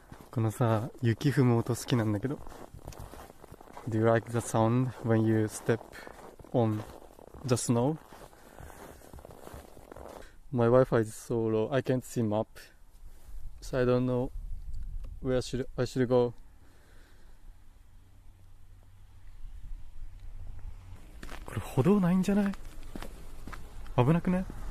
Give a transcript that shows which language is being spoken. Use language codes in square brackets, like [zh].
[ja] このさ、雪踏む音好きなんだけど。 [en] Do you like the sound when you step on the snow? My Wi-Fi is so low. I can't see map. So I don't know where I should go. [ja] これ歩道ないんじゃない？危なくね？